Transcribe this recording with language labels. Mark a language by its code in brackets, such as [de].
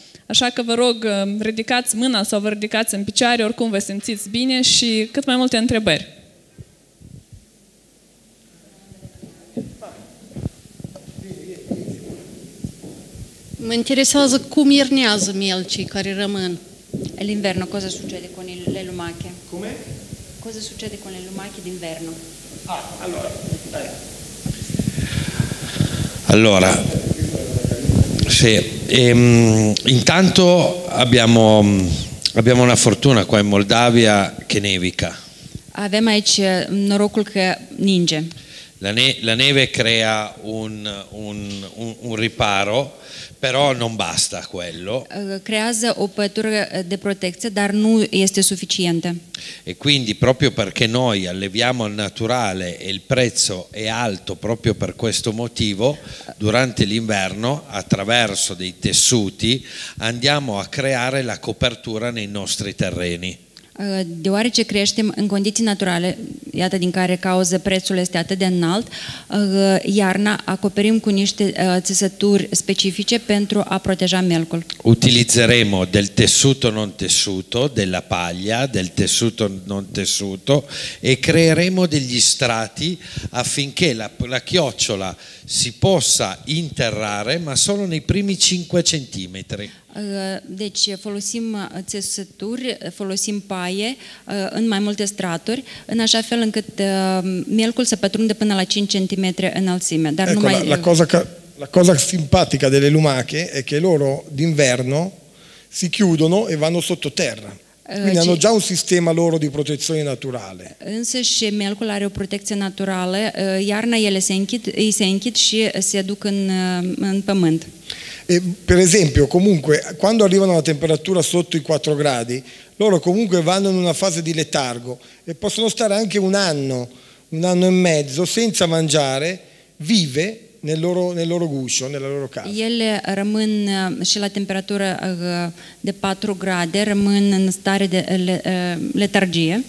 [ro] Așa că vă rog, ridicați mâna sau vă ridicați în picioare, oricum vă simțiți bine și cât mai multe întrebări. Mă interesează cum iernează melcii care rămân. [it] El inverno, cosa succede con le lumache? Come? Cosa succede con le lumache d'inverno? Ah, allora, dai. Allora, sì, intanto abbiamo una fortuna qua in Moldavia che nevica. [ro] Avem aici norocul că ninge. [it] La neve crea un riparo, però non basta quello. [ro] Creează o pătură de protecție, dar nu este suficiente. [it] E quindi proprio perché noi alleviamo al naturale e il prezzo è alto proprio per questo motivo, durante l'inverno attraverso dei tessuti andiamo a creare la copertura nei nostri terreni. [ro] Deoarece creștem în condiții naturale, iată din care cauză prețul este atât de înalt, iarna acoperim cu niște țesături specifice pentru a proteja melcul. [it] Utilizzeremo del tessuto non tessuto, della paglia, del tessuto non tessuto e creeremo degli strati affinché la chiocciola si possa interrare, ma solo nei primi 5 centimetri. [ro] Deci folosim țesături, folosim paie în mai multe straturi, în așa fel încât melcul să pătrundă până la 5 cm înălțime. Dar [it] ecco, [ro] numai... [it] la cosa simpatica delle lumache è che loro d'inverno si chiudono e vanno sottoterra. Quindi hanno già un sistema loro di protezione naturale. [ro] Însă și melcul are o protecție naturală, iarna ele se închid și se duc în pământ. [it] E, per esempio, comunque, quando arrivano a una temperatura sotto i 4 gradi, loro comunque vanno in una fase di letargo e possono stare anche un anno e mezzo, senza mangiare, vive nel loro guscio, nella loro casa. [ro] Ele rămân și la temperatura de 4 grade, rămân în stare de letargie.